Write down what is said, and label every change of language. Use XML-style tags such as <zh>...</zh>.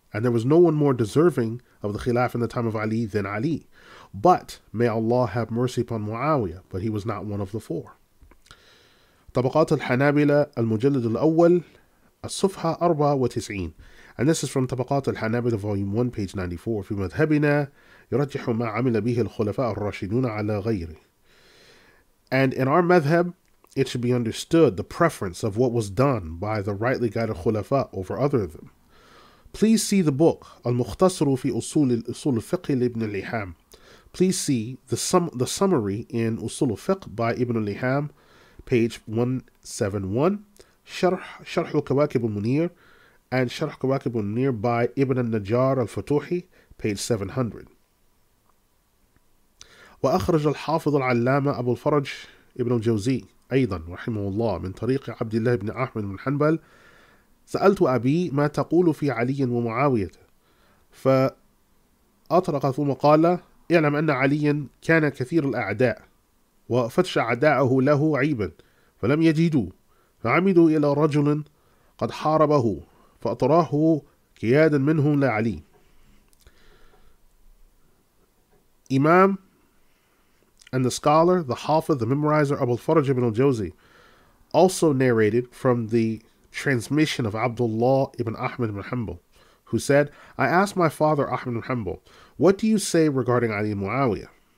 <en>And there was no one more deserving of the khilaf in the time of Ali than Ali. But may Allah have mercy upon Muawiyah, but he was not one of the four.</en> <ar>Tabaqat al-Hanabila al-Mujallid al-Awwal as-Sufha 94.</ar> <en>And this is from Tabaqat al-Hanabila volume 1 page 94.</en> <ar>في مذهبنا يرجح ما عمل به الخلفاء الراشدون على غيره.</ar> <en>And in our madhab, it should be understood the preference of what was done by the rightly guided khulafa over other of them. Please see the book Al-Mukhtasaru fi Usul al-Fiqh Ibn al-Liham. Please see the summary in Usul al-Fiqh by Ibn al-Liham, page 171, Sharh al-Kawakib al-Munir, and Sharh al-Kawakib al-Munir by Ibn al-Najjar al-Futuhi, page 700.</en> <ar>وأخرج الحافظ العلامة أبو الفرج ابن الجوزي أيضا رحمه الله من طريق عبد الله بن أحمد بن حنبل سألت أبي ما تقول في علي ومعاوية فأطرق ثم قال اعلم أن علي كان كثير الأعداء وفتش أعداءه له عيبا فلم يجدوا فعمدوا إلى رجل قد حاربه فأطراه كيادا منهم لعلي.</ar> <en>إمام and the scholar, the Hafiz, the memorizer, Abu al-Faraj ibn al-Jawzi, also narrated from the transmission of Abdullah ibn Ahmad ibn Hanbal, who said, I asked my father, Ahmad ibn Hanbal, what do you say regarding Ali Muawiyah?</en>